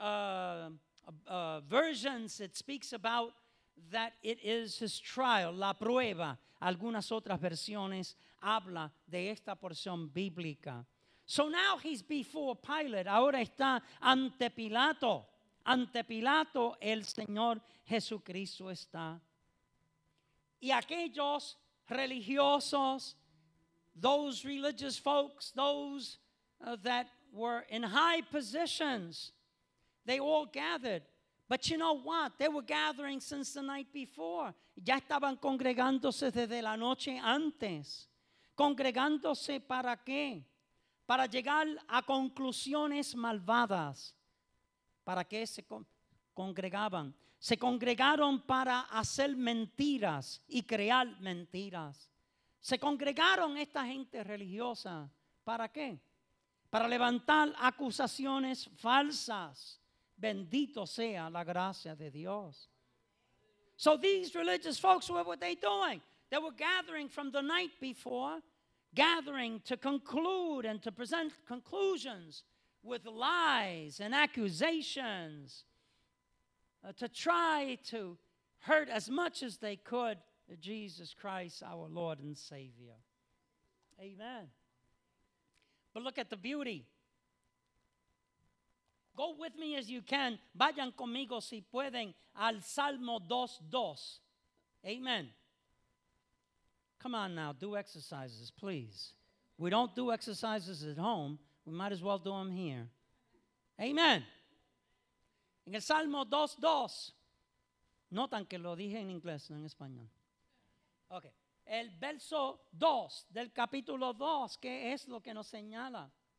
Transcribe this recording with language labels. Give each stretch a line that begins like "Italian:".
English: In other versions, it speaks about that it is his trial,
Spanish: la prueba. Algunas otras versiones habla de esta porción bíblica.
English: So now he's before Pilate.
Spanish: Ahora está ante Pilato. Ante Pilato, el Señor Jesucristo está. Y aquellos religiosos,
English: those religious folks, those that were in high positions, they all gathered. But you know what? They were gathering since the night before.
Spanish: Ya estaban congregándose desde la noche antes. ¿Congregándose para qué? Para llegar a conclusiones malvadas. ¿Para qué se congregaban? Se congregaron para hacer mentiras y crear mentiras. Se congregaron esta gente religiosa. ¿Para qué? Para levantar acusaciones falsas. Bendito sea la gracia de Dios.
English: So these religious folks, what were they doing? They were gathering from the night before, gathering to conclude and to present conclusions with lies and accusations, to try to hurt as much as they could Jesus Christ, our Lord and Savior. Amen. But look at the beauty. Go with me as you can.
Spanish: Vayan conmigo si pueden al Salmo 2:2. Amen.
English: Come on now, do exercises, please. We don't do exercises at home. We might as well do them here.
Spanish: Amen. En el Salmo 2:2. Notan que lo dije en inglés, no en español. Okay. El verso 2 del capítulo 2, ¿qué es lo que nos señala?